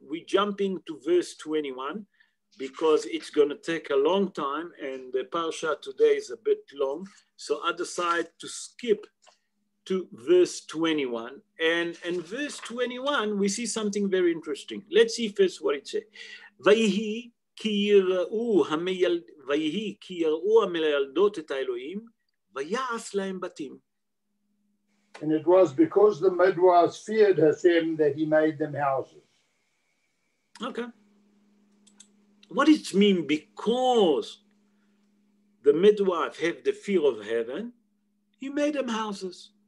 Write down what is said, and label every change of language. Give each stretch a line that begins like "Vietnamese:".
English: We're jumping to verse 21 because it's going to take a long time and the parsha today is a bit long. So I decide to skip to verse 21. And in verse 21, we see something very interesting. Let's see first what it says.
Hebrew: ויהי כי יראו המילדות את האלוהים ויעס להם בתים.
English: And it was because the midwives feared Hashem that he made them houses. Okay. What does it mean, because the midwife have the fear of heaven, he made them houses?